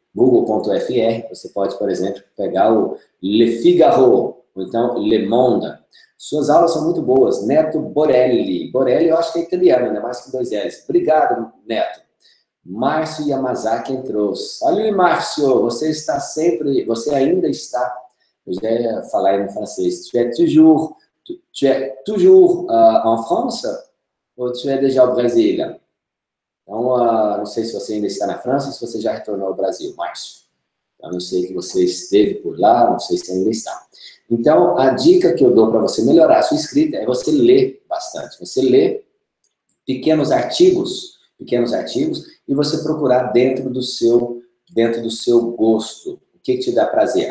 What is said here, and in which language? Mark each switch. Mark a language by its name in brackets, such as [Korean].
[Portuguese] Google.fr, você pode, por exemplo, pegar o Le Figaro, ou então Le Monde. Suas aulas são muito boas. Neto Borelli. Borelli, eu acho que é italiano, ainda mais que dois L's. Obrigado, Neto. Márcio Yamazaki entrou. Salve, Márcio. Você está sempre. Você ainda está. Eu já ia falar em francês. [French] Tu es toujours en France? Ou tu es déjà au Brésil? [Portuguese] Então, não sei se você ainda está na França ou se você já retornou ao Brasil, Márcio. Eu não sei que você esteve por lá, não sei se ainda está. Então, a dica que eu dou para você melhorar a sua escrita é você ler bastante. Você lê pequenos artigos, e você procurar dentro do seu gosto. O que te dá prazer?